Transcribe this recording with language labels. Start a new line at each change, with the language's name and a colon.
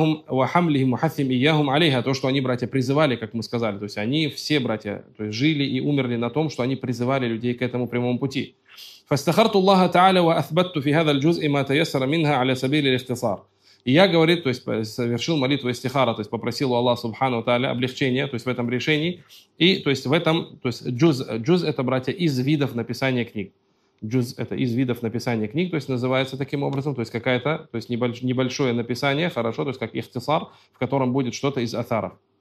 Arabic: وحملهم وحثهم إياهم عليها.
Russian: То, что они, братья, призывали, как мы сказали, то есть они все, братья, то есть жили и умерли на том, что они призывали людей к этому прямому пути.
Arabic: فاستخرت الله تعالى واثبتت في هذا الجزء ما تيسر منها على سبيل الاختصار.
Russian: И я, говорит, то есть совершил молитву истихара, то есть попросил у Аллаха Субхану ва Тааля облегчения, то есть в этом решении. И то есть в этом, то есть джуз это, братья, из видов написания книг. Джуз это из видов написания книг, то есть называется таким образом, то есть какая-то, то есть небольшое написание, хорошо, то есть как ихтисар, в котором будет что-то из атаров.